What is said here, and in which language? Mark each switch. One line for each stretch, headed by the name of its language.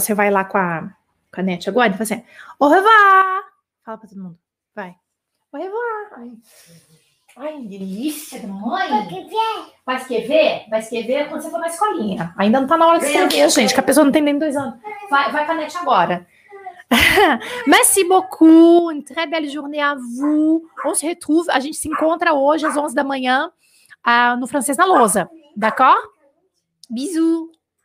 Portuguese: Você vai lá com a caneta agora? Então, assim,
French: au revoir.
Portuguese: Fala para todo mundo. Vai.
French: Au revoir.
Portuguese: Ai, delícia, mamãe. Vai escrever? Vai escrever quando você for na escolinha. Ainda não tá na hora de escrever, gente, que a pessoa não tem nem 2 anos. Vai para a net agora.
French: Merci beaucoup, une très belle journée à vous. On se retrouve,
Portuguese: a gente se encontra hoje às 11 da manhã no Francês na Lousa,
French: d'accord? Bisous.